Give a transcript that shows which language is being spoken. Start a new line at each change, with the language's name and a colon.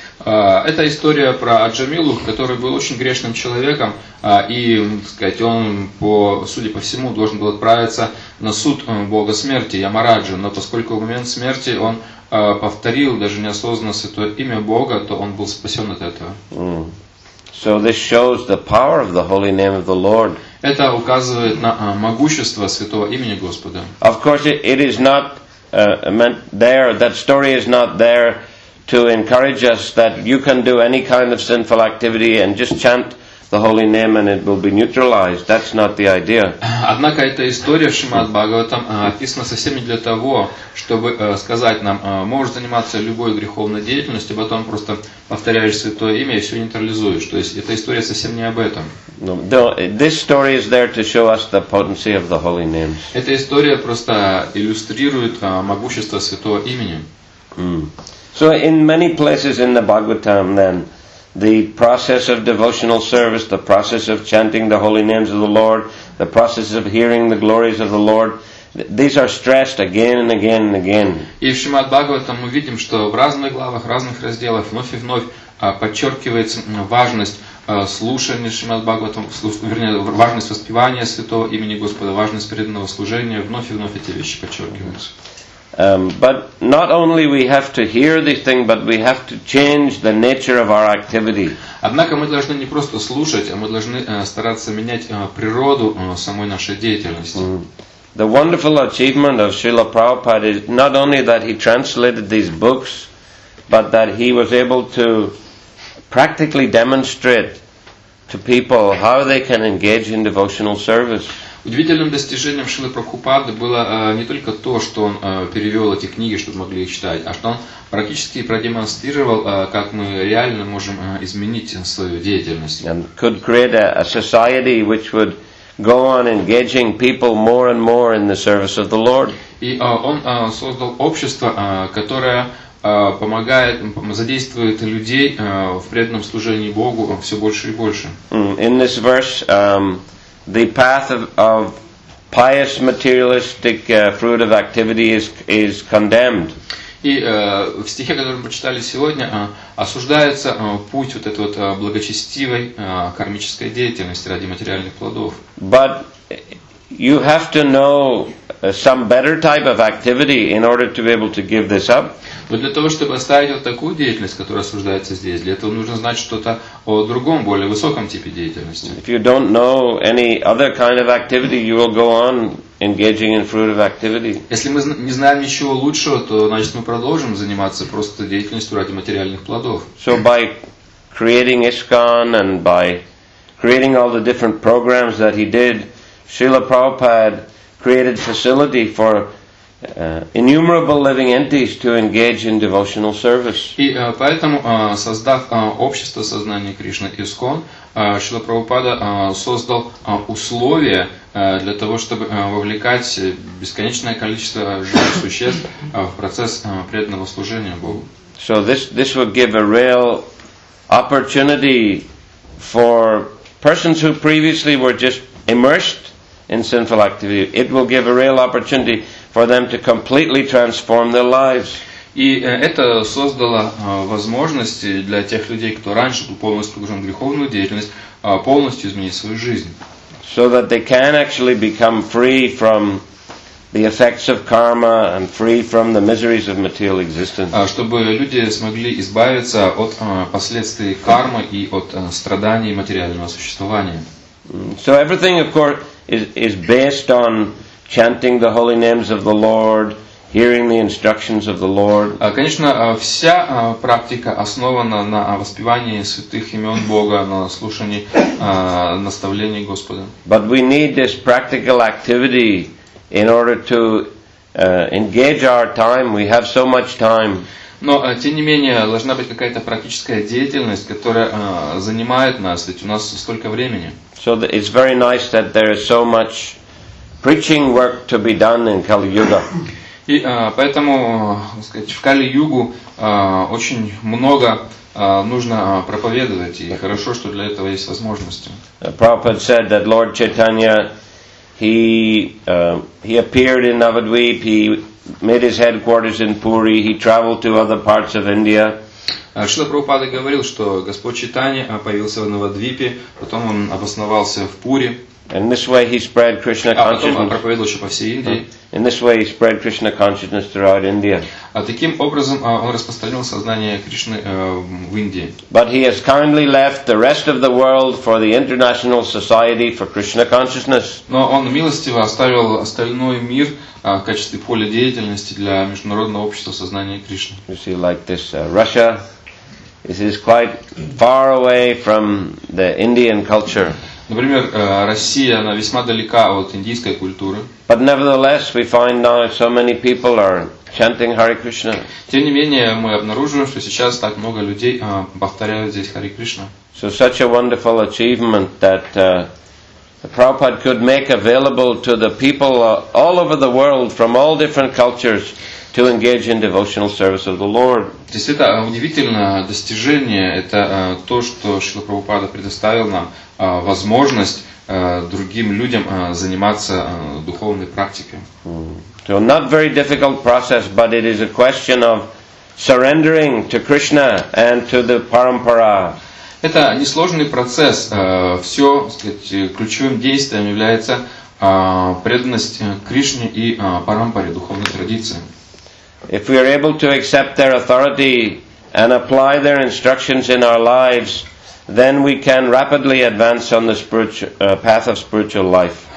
Russian: Это история про Аджамилу, который был очень грешным человеком, и, так сказать, он, судя по всему, должен был отправиться на суд Бога Смерти, Ямараджу, но поскольку в момент смерти он повторил даже неосознанно святое имя Бога, то он был спасен от этого.
English: So this shows the power of the holy name of the Lord.
Russian: Это указывает на могущество святого имени Господа.
English: Of course, it is not meant there. That story is not there to encourage us that you can do any kind of sinful activity and just chant the holy name and it will be neutralized. That's not the idea.
Russian: Однако эта история в Шримад Бхагаватам описана совсем не для того, чтобы сказать нам, можешь заниматься любой греховной деятельностью, а потом просто повторяешь святое имя и все нейтрализуешь. То есть эта история совсем не об этом.
English: No, this story is there to show us the potency of the holy names.
Russian: Эта история просто иллюстрирует могущество святого имени.
English: So in many places in the Bhagavatam then, the process of devotional service, the process of chanting the holy names of the Lord, the process of hearing the glories of the Lord, these are stressed again and again and again.
Russian: И в Шримад Бхагаватам мы видим, что в разных главах, разных разделах вновь и вновь подчеркивается важность слушания Шримад Бхагаватам, вернее, важность воспевания святого имени Господа, важность преданного служения, вновь и вновь эти вещи подчеркиваются.
English: But not only we have to hear this thing, but we have to change the nature of our activity.
Russian: Однако мы должны не просто слушать, а мы должны стараться менять природу самой нашей деятельности.
English: The wonderful achievement of Srila Prabhupada is not only that he translated these books, but that he was able to practically demonstrate to people how they can engage in devotional service.
Russian: Удивительным достижением Шрилы Прабхупады было не только то, что он перевел эти книги, чтобы могли их читать, а что он практически продемонстрировал, как мы реально можем изменить свою деятельность.
English: And could create a society which would go on engaging people more and more in the service of the Lord.
Russian: И он создал общество, которое помогает, задействует людей в преданном служении Богу все больше и больше.
English: In this verse, the path of pious materialistic fruit of activity is condemned.
Russian: И в стихе, который мы прочитали сегодня, осуждается путь вот этой вот благочестивой кармической деятельности ради материальных плодов.
English: But you have to know some better type of activity in order to be able to give this up.
Russian: Но для того, чтобы оставить вот такую деятельность, которая осуждается здесь, для этого нужно знать что-то о другом, более высоком типе деятельности.
English: If you don't know any other kind of activity, you will go on engaging in fruitive activity.
Russian: Если мы не знаем ничего лучшего, то значит мы продолжим заниматься просто деятельностью ради материальных плодов.
English: So by creating ISKCON and by creating all the different programs that he did, Srila Prabhupada created facility for innumerable living entities to engage in devotional service.
Russian: И поэтому, создав общество сознания Кришны ИСККОН, Шрила Прабхупада создал условия для того, чтобы вовлекать бесконечное количество живых существ в процесс преданного служения Богу.
English: So this would give a real opportunity for persons who previously were just immersed in sinful activity. It will give a real opportunity for them to completely transform their lives.
Russian: И это создало возможности для тех людей, кто раньше был полностью погружен в греховную деятельность, полностью изменить свою жизнь.
English: So that they can actually become free from the effects of karma and free from the miseries of material existence.
Russian: Чтобы люди смогли избавиться от последствий кармы и от страданий материального существования.
English: So everything, of course, is based on chanting the holy names of the Lord, hearing the instructions of the Lord.
Russian: Конечно, вся практика основана на воспевании святых имен Бога, на слушании наставлений Господа.
English: But we need this practical activity in order to engage our time. We have so much time.
Russian: Но, тем не менее, должна быть какая-то практическая деятельность, которая занимает нас, ведь у нас столько времени.
English: So it's very nice that there is so much preaching work to be done in Kali Yuga.
Russian: И поэтому, так сказать, в Кали-Югу очень много нужно проповедовать, и хорошо, что для этого есть возможности.
English: Prabhupada said that Lord Chaitanya, he appeared in Navadvip, he made his headquarters in Puri, he traveled to other parts of India.
Russian: Шрила Прабхупада говорил, что Господь Чайтанья появился в Навадвипе, потом он обосновался в Пури.
English: In this way he spread Krishna consciousness.
Russian: А потом проповедовал еще по всей Индии.
English: In this way he spread Krishna consciousness throughout India.
Russian: А таким образом он распространил сознание Кришны в Индии.
English: But he has kindly left the rest of the world for the International Society for Krishna Consciousness.
Russian: Но он милостиво оставил остальной мир в качестве поля деятельности для международного общества сознания Кришны.
English: You see, like this, Russia. This is quite far away from the Indian culture.
Russian: Например, Россия, она весьма далека от индийской культуры.
English: But nevertheless, we find now so many people are chanting Hare Krishna.
Russian: Тем не менее, мы обнаруживаем, что сейчас так много людей повторяют здесь Hare Krishna.
English: So such a wonderful achievement that Prabhupada could make available to the people all over the world from all different cultures to engage in devotional service of the Lord.
Russian: Действительно, удивительное достижение – это то, что Шрила Прабхупада предоставил нам возможность другим людям заниматься духовной практикой.
English: So not very difficult process, but it is a question of surrendering to Krishna and to the parampara.
Russian: Это несложный процесс. Все, так сказать, ключевым действием является преданность Кришне и парампаре, духовной традиции.
English: If we are able to accept their authority and apply their instructions in our lives, then we can rapidly advance on the path of spiritual life.